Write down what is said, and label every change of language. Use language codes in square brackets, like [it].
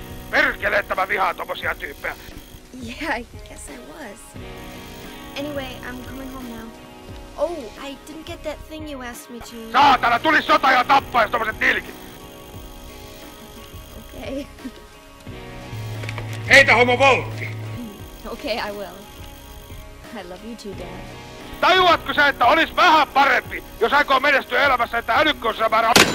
[fi] Perkele, että mä vihaan tommosia tyyppejä. [en] Yeah, I guess I was. Anyway, I'm coming home now. Oh, I didn't get that thing you asked me to... [fi] Saatana, tuli sota ja tappaa jos tommoset nilkit! [en] Okay. [fi] Heitä homo voltti! [en] Okay, I will. I love you too, Dad. [fi] Tajuatko sä, että olis vähän parempi, jos aikoo menestyä elämässä, että älykkö on sä määrä...